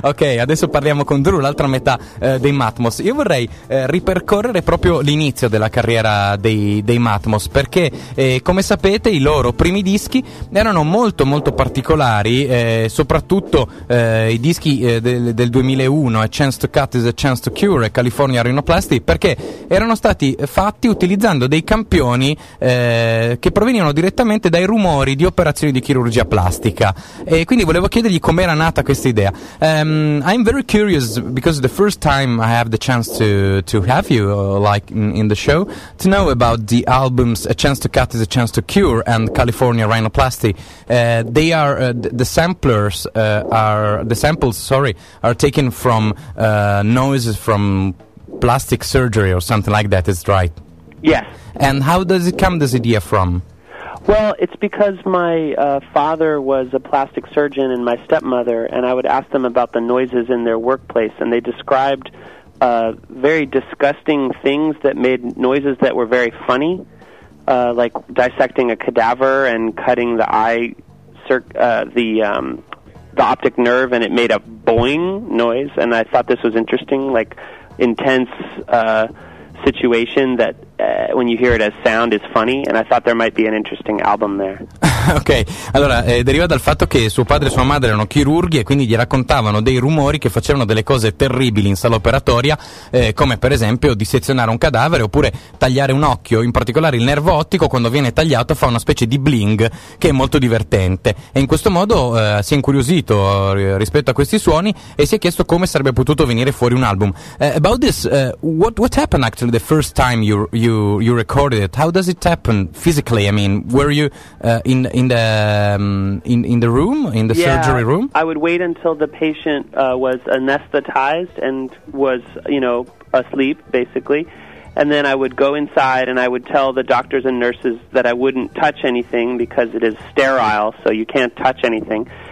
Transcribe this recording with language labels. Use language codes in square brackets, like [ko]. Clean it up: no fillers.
[it] Ok, adesso parliamo con Drew, l'altra metà dei Matmos. Io vorrei ripercorrere proprio l'inizio della carriera dei Matmos, perché come sapete i loro primi dischi erano molto molto particolari, soprattutto i dischi del 2001, A Chance to Cut is a Chance to Cure e California Rhinoplasty, perché erano stati fatti utilizzando dei campioni che provenivano direttamente dai rumori di operazioni di chirurgia plastica, e quindi volevo chiedergli com'era nata questa idea. [en] I'm very curious, because the first time I have the chance to have you like in the show, to know about the albums A Chance to Cut is a Chance to Cure and California Rhinoplasty. They are the samples are taken from noises from plastic surgery or something like that, is right? Yes. And how does it come, this idea, from? Well, it's because my father was a plastic surgeon and my stepmother, and I would ask them about the noises in their workplace, and they described very disgusting things that made noises that were very funny, like dissecting a cadaver and cutting the eye, the optic nerve, and it made a boing noise, and I thought this was interesting, like intense situation that when you hear it as sound is funny, and I thought there might be an interesting album there. [it] Ok, allora deriva dal fatto che suo padre e sua madre erano chirurghi e quindi gli raccontavano dei rumori che facevano delle cose terribili in sala operatoria, come per esempio dissezionare un cadavere oppure tagliare un occhio. In particolare il nervo ottico, quando viene tagliato, fa una specie di bling che è molto divertente, e in questo modo si è incuriosito rispetto a questi suoni e si è chiesto come sarebbe potuto venire fuori un album. [en] About this, what happened actually the first time you recorded it? How does it happen physically? I mean, were you in the surgery room? I would wait until the patient was anesthetized and was, you know, asleep basically, and then I would go inside and I would tell the doctors and nurses that I wouldn't touch anything because it is sterile, so you can't touch anything,